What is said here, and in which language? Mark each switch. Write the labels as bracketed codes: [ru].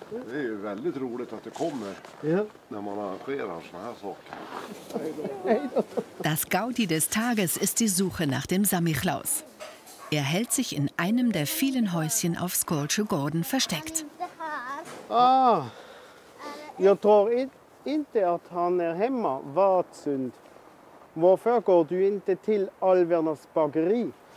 [sv] Det är ju väldigt roligt att det kommer när man arrangerar såna här saker. [de] Das Gaudi des Tages ist die Suche nach dem Samichlaus. Er hält sich in einem der vielen Häuschen auf Skolsche Gordon versteckt. Ah. [sv] Jag tror inte att han är hemma. Vad synd. Varför går du inte till Alvernas bageri?